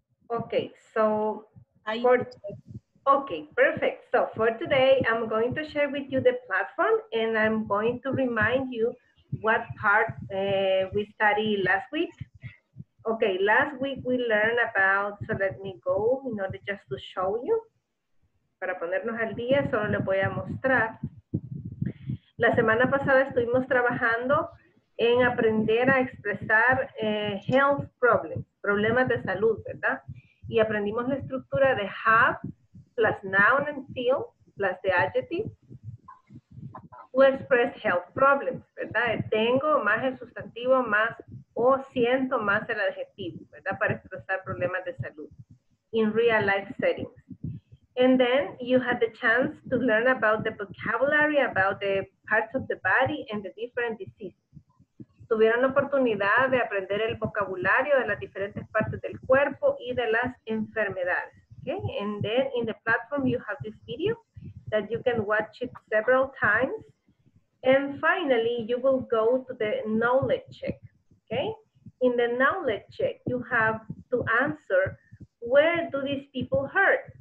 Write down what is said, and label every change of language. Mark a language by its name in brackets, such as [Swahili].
[English] Okay, so perfect. So for today, I'm going to share with you the platform and I'm going to remind you what part we studied last week. Okay, last week we learned about, so let me go in order just to show you. [Spanish] Para ponernos al día, solo le voy a mostrar. La semana pasada estuvimos trabajando en aprender a expresar health problems, problemas de salud, ¿verdad? Y aprendimos la estructura de [English] have plus noun and feel plus the adjective to express health problems, [Spanish] ¿verdad? Tengo más el sustantivo más o siento más el adjetivo, ¿verdad? Para expresar problemas de salud [English] in real life settings. And then you had the chance to learn about the vocabulary, about the parts of the body and the different diseases. [Spanish] Tuvieron la oportunidad de aprender el vocabulario de las diferentes partes del cuerpo y de las enfermedades. [English] Okay? And then in the platform you have this video that you can watch it several times. And finally, you will go to the knowledge check. Okay? In the knowledge check, you have to answer, where do these people hurt?